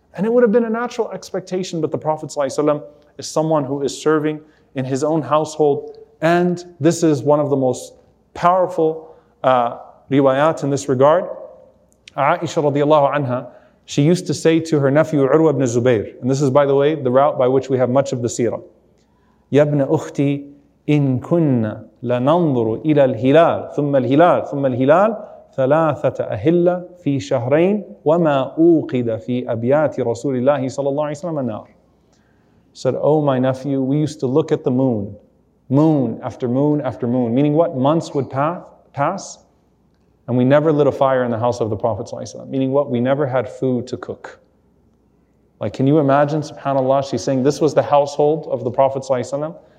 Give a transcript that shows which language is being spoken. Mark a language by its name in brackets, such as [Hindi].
[English] And it would have been a natural expectation, but the Prophet ﷺ is someone who is serving in his own household. And this is one of the most powerful riwayat in this regard. Aisha radiallahu anha, she used to say to her nephew Urwa ibn Zubayr, and this is, by the way, the route by which we have much of the seerah. [Arabic] Ya ibn ukhti, إِن كُنَّ لَنَنْظُرُ إِلَى الْهِلَالِ ثُمَّ الْهِلَالِ ثُمَّ الْهِلَالِ ثَلَاثَةَ أَهِلَّ فِي شَهْرَيْنِ وَمَا أُوْقِدَ فِي أَبْيَاتِ رَسُولِ اللَّهِ صَلَى اللَّهِ وَسَلَمَ النَّارِ. [English] Said, oh my nephew, we used to look at the moon, moon after moon after moon, meaning what? Months would pass, and we never lit a fire in the house of the Prophet ﷺ, meaning what? We never had food to cook. Like, can you imagine, subhanAllah, she's saying, this was the household of the Prophet ﷺ.